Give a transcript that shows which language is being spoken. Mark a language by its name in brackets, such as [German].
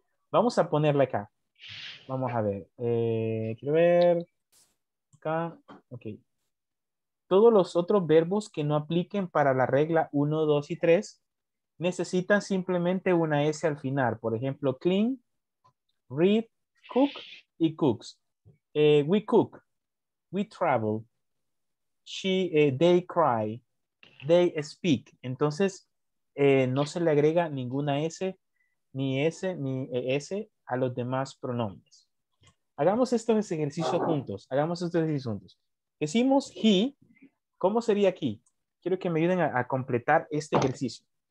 [Spanish] Vamos a ponerla acá. Vamos a ver. Quiero ver. Acá. Ok. Todos los otros verbos que no apliquen para la regla 1, 2 y 3 necesitan simplemente una S al final. Por ejemplo, clean, read, cook y cooks. [English] We cook, we travel, they cry, they speak. [Spanish] Entonces, no se le agrega ninguna S, ni ES a los demás pronombres. Hagamos estos ejercicios juntos. Hagamos estos ejercicios juntos. Decimos he, ¿cómo sería aquí? Quiero que me ayuden a completar este ejercicio.